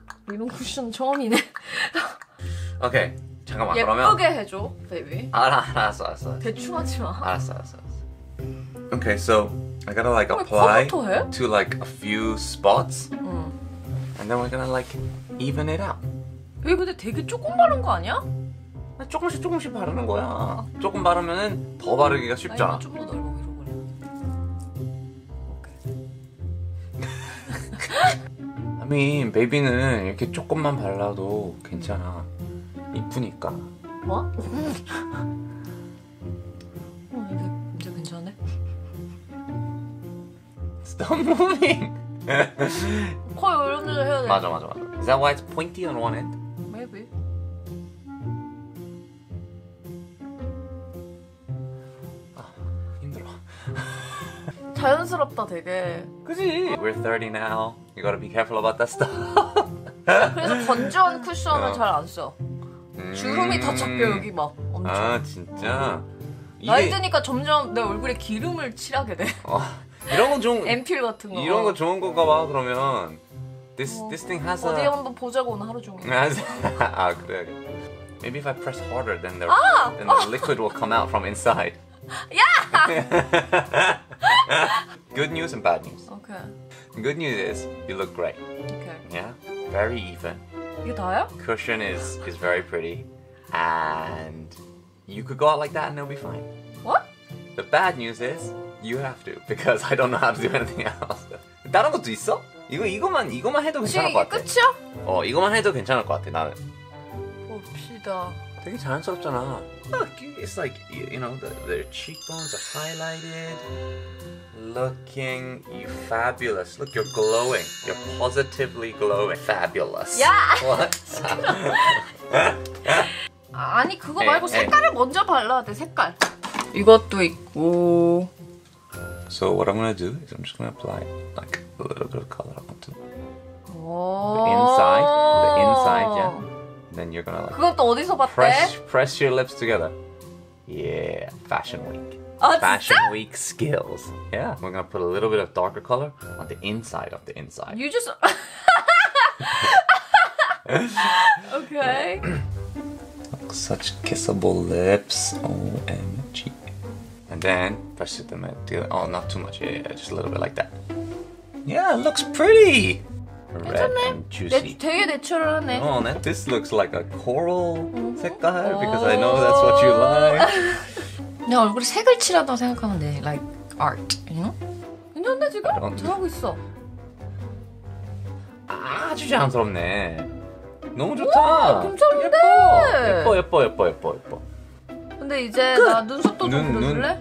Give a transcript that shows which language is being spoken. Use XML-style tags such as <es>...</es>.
<ko>이런 쿠션 처음이네. 오케이, 잠깐만. 예쁘게 그러면... 해줘, baby. 알았어. 대충하지 마. 알았어.</ko> <en>Okay, so I gotta like apply to like a few spots, and then we're gonna like even it out.</en> <ko>이게 근데 되게 조금 바른 거 아니야? 조금씩 바르는 거야. 조금 바르면은 더 바르기가 쉽잖아. 좀 더 넓어. 아미, 베이비는 이렇게 조금만 발라도 괜찮아. 이쁘니까. 뭐? 이게 이제 괜찮네?</ko> <en>Stop moving!</en> <ko>코 이런 데서 해야 돼. 맞아.</ko> <en>Is that why it's pointy on one end? Maybe.</en> <ko>아, 힘들어. 자연스럽다, 되게. 그지?</ko> <en>We're 30 now. You gotta be careful about that stuff.</en> <ko>그래서 건조한 쿠션을 잘 안 써. 주름이 다 잡혀 여기 막 엄청. 아 진짜. 나이 드니까 점점 내 얼굴에 기름을 칠하게 돼. 이런 건 좋은. 앰플 같은 거. 이런 거 좋은 건가 봐. 그러면</ko> <en>this thing has</en> <ko>어디</ko> <en>a.</en> <ko>어디 한번 보자고 오늘 하루 종일. 아 그래.</ko> <en>Maybe if I press harder, then the then the liquid will come out from inside. Yeah. Good news and bad news. Okay. Good news is you look great. Okay. Yeah. Very even.</en> <ko>이게 다야?</ko> <en>Cushion is very pretty, and you could go out like that and it'll be fine. What? The bad news is you have to because I don't know how to do anything else.</en> <ko>다른 것도 있어? 이거만 해도 괜찮을 것 같아. 지금 끝이야? 어 이거만 해도 괜찮을 것 같아 나는. 봅시다. 되게 자연스럽잖아.</ko> <en>Look, it's like you know the cheekbones are highlighted. Looking you fabulous. Look, you're glowing. You're positively glowing. Fabulous. Yeah. What?</en> <ko>아니 그거 말고 색깔을 먼저 발라야 돼. 색깔. 이것도 있고.</ko> <en>So what I'm gonna do is I'm just gonna apply like a little bit of color onto the inside. Yeah. Then you're gonna like.</en> <ko>그것도 어디서 봤대?</ko> <en>Press your lips together. Yeah. Fashion week. Fashion week skills. Yeah, we're gonna put a little bit of darker color on the inside of the inside. You just okay. Such kissable lips. OMG. And then press it them in. Oh, not too much. Yeah, just a little bit like that. Yeah, it looks pretty. Red and juicy.</en> <ko>되게 내추럴하네.</ko> <en>Oh, that this looks like a coral 색깔 because I know that's what you like.</en> <ko>내 얼굴에 색을 칠한다고 생각하면 돼.</ko> <en>Like art, you know?</en> <ko>괜찮네 지금? 잘하고 있어. 아주 자연스럽네. 너무 좋다. 괜찮은데? 예뻐. 근데 이제 끝. 나 눈썹도 좀 보여줄래?</ko>